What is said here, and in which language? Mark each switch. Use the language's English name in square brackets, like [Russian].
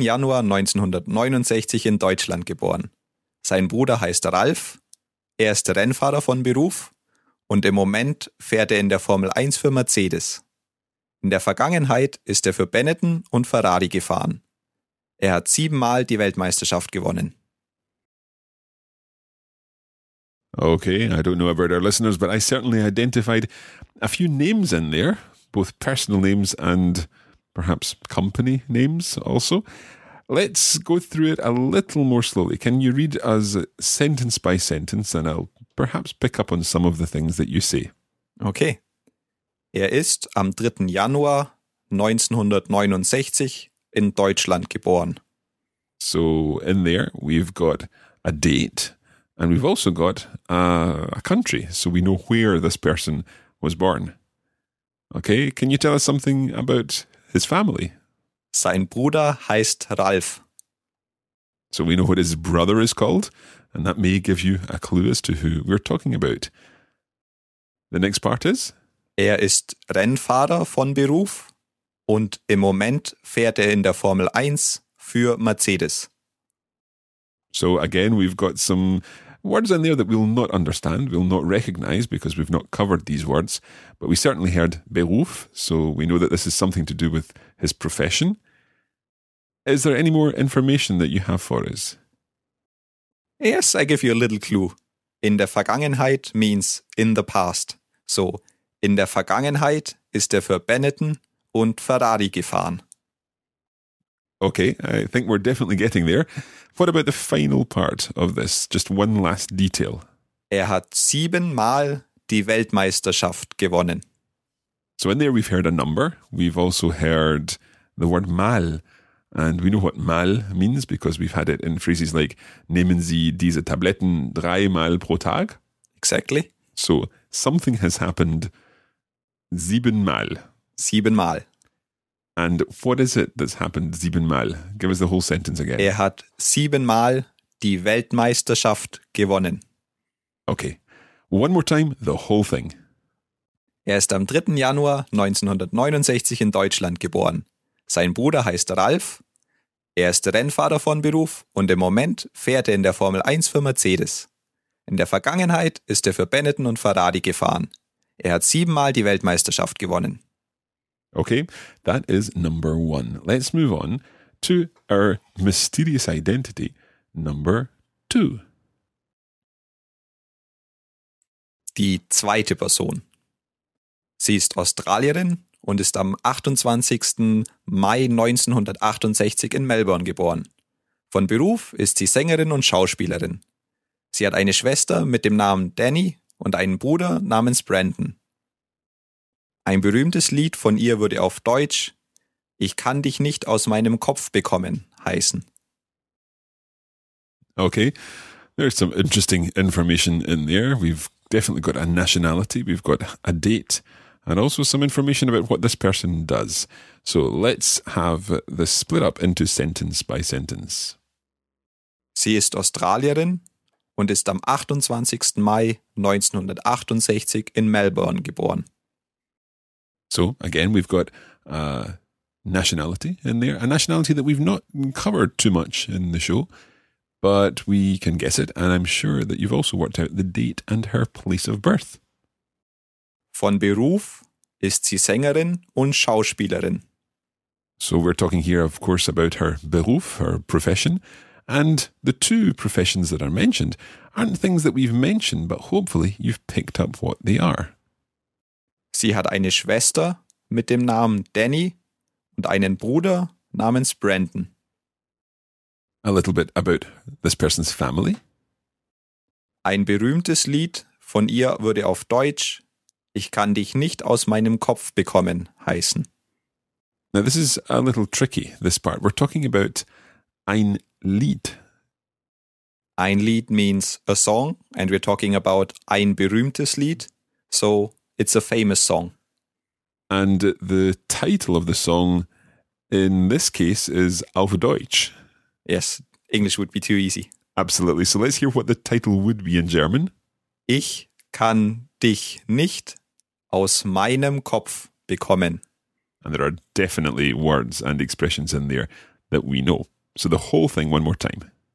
[German] Januar 1969 in Deutschland geboren. Sein Bruder heißt Ralf, ist Rennfahrer von Beruf und im Moment fährt in der Formel 1 für Mercedes. In der Vergangenheit ist für Benetton und Ferrari gefahren. Hat 7-mal die Weltmeisterschaft gewonnen. [English] Okay, I don't know about our listeners, but I certainly identified a few names in there, both personal names and perhaps company names also. Let's go through it a little more slowly. Can you read us sentence by sentence and I'll perhaps pick up on some of the things that you say? [German] Okay. Ist am 3. Januar 1969 in Deutschland geboren. [English] So in there we've got a date and we've also got a country, so we know where this person was born. Okay, can you tell us something about his family? [German] Sein Bruder heißt Ralf. [English] So we know what his brother is called, and that may give you a clue as to who we're talking about. The next part is? [German] Ist Rennfahrer von Beruf und im Moment fährt in der Formel 1 für Mercedes. [English] So again, we've got some words in there that we'll not understand, we'll not recognize because we've not covered these words, but we certainly heard Beruf, so we know that this is something to do with his profession. Is there any more information that you have for us? Yes, I give you a little clue. [German] In der Vergangenheit [English] means in the past. [German] So, in der Vergangenheit ist für Benetton und Ferrari gefahren. [English] Okay, I think we're definitely getting there. What about the final part of this? Just one last detail. [German] Hat 7-mal die Weltmeisterschaft gewonnen. [English] So in there we've heard a number. We've also heard the word mal. And we know what mal means because we've had it in phrases like [German] nehmen Sie diese Tabletten 3-mal pro Tag? [English] Exactly. So something has happened 7-mal. [German] 7-mal. [English] And what is it that's happened 7-mal? Give us the whole sentence again. [German] Hat 7-mal die Weltmeisterschaft gewonnen. [English] Okay. One more time, the whole thing. [German] Ist am 3. Januar 1969 in Deutschland geboren. Sein Bruder heißt Ralf. Ist Rennfahrer von Beruf und im Moment fährt in der Formel 1 für Mercedes. In der Vergangenheit ist für Benetton und Ferrari gefahren. Hat 7-mal die Weltmeisterschaft gewonnen. [English] Okay, that is number one. Let's move on to our mysterious identity, number two. [German] Die zweite Person. Sie ist Australierin und ist am 28. Mai 1968 in Melbourne geboren. Von Beruf ist sie Sängerin und Schauspielerin. Sie hat eine Schwester mit dem Namen Danny und einen Bruder namens Brandon. Ein berühmtes Lied von ihr würde auf Deutsch Ich kann dich nicht aus meinem Kopf bekommen heißen. [English] Okay, there's some interesting information in there. We've definitely got a nationality, we've got a date and also some information about what this person does. So let's have this split up into sentence by sentence. [German] Sie ist Australierin und ist am 28. Mai 1968 in Melbourne geboren. [English] So, again, we've got a nationality in there, a nationality that we've not covered too much in the show, but we can guess it, and I'm sure that you've also worked out the date and her place of birth. [German] Von Beruf ist sie Sängerin und Schauspielerin. [English] So we're talking here, of course, about her Beruf, her profession, and the two professions that are mentioned aren't things that we've mentioned, but hopefully you've picked up what they are. [German] Sie hat eine Schwester mit dem Namen Danny und einen Bruder namens Brandon. [English] A little bit about this person's family. [German] Ein berühmtes Lied von ihr würde auf Deutsch "Ich kann dich nicht aus meinem Kopf bekommen" heißen. [English] Now this is a little tricky, this part. We're talking about [German] ein Lied. Ein Lied [English] means a song, and we're talking about [German] ein berühmtes Lied, [English] so it's a famous song. And the title of the song in this case is [German] Auf Deutsch. [English] Yes, English would be too easy. Absolutely. So let's hear what the title would be in German. [German] Ich kann dich nicht aus meinem Kopf bekommen. [English] And there are definitely words and expressions in there that we know. So the whole thing one more time.